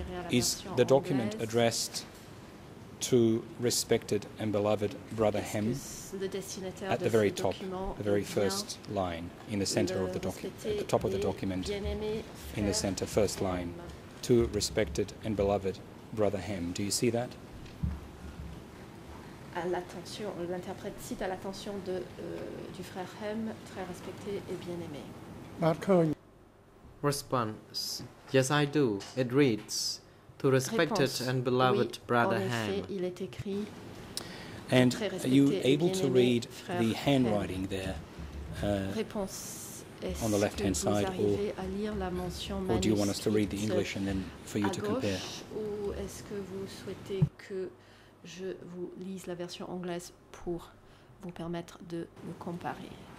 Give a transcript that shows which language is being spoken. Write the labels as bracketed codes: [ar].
[en] Is the document addressed to respected and beloved Brother Hem at the very top, the very first line in the center of the document, at the top of the document, in the center, first line, to respected and beloved Brother Hem? Do you see that? [fr] L'attention, l'interprète cite à l'attention de du frère Hem, très respecté et bien aimé. [en] Marco. Response. Yes, I do. It reads, to respected and beloved Brother Hem. [fr] Il est écrit, [en] and are you able to read the handwriting there on the left-hand side, or do you want us to read the English and then for you to compare? [fr] Ou est-ce que vous souhaitez que je vous lise la version anglaise pour vous permettre de me comparer?